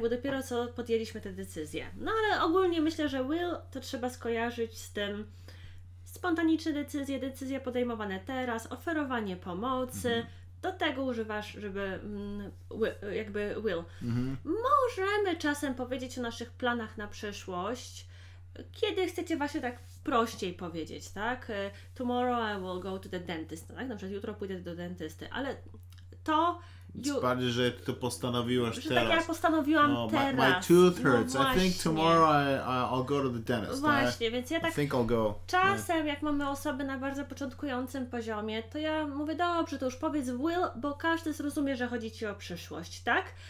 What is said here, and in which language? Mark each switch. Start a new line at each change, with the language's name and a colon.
Polish: Bo dopiero co podjęliśmy tę decyzję. No ale ogólnie myślę, że Will to trzeba skojarzyć z tym spontaniczne decyzje, decyzje podejmowane teraz, oferowanie pomocy. Mhm. Do tego używasz, żeby jakby Will. Mhm. Możemy czasem powiedzieć o naszych planach na przyszłość, kiedy chcecie właśnie tak prościej powiedzieć, tak?
English: Tomorrow I will go to the dentist,
Polish: tak? Na przykład jutro pójdę do dentysty, ale to... Bardziej, że ty to postanowiłaś teraz. Tak, ja postanowiłam teraz.
English: My tooth hurts. No I think tomorrow I'll go to the dentist.
Polish: Właśnie, więc ja tak
English: think I'll go.
Polish: Czasem, jak mamy osoby na bardzo początkującym poziomie, to ja mówię, dobrze, to już powiedz Will, bo każdy zrozumie, że chodzi ci o przyszłość, tak?